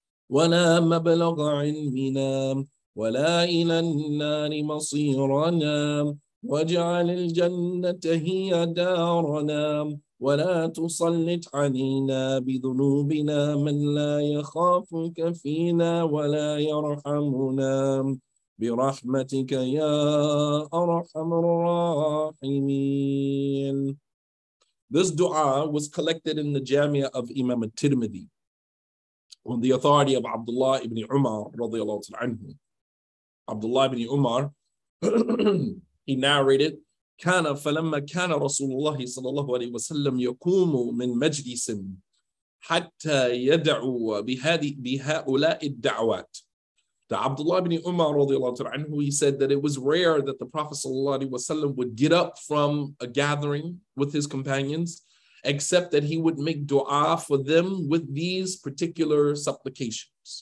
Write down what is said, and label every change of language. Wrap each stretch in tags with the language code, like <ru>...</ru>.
<ar>ولا مبلغ علمنا ولا إلى النار مصيرنا واجعل الجنة هي دارنا ولا تسلط علينا بذنوبنا من لا يخافك فينا ولا يرحمنا برحمتك يا أرحم الراحمين.</ar> <en>This dua was collected in the Jamia of Imam al-Tirmidhi on the authority of Abdullah ibn Umar</en> <ar>رضي الله تعالى عنه.</ar> <en>Abdullah ibn Umar, he narrated,</en> <ar>كان فلما كان رسول الله صلى الله عليه وسلم يقوم من مجلس حتى يدعو بهؤلاء الدعوات.</ar> <en>The Abdullah ibn Umar</en> <ar>رضي الله تعالى عنه,</ar> <en>he said that it was rare that the Prophet</en> <ar>صلى الله عليه وسلم</ar> <en>would get up from a gathering with his companions, except that he would make dua for them with these particular supplications.</en>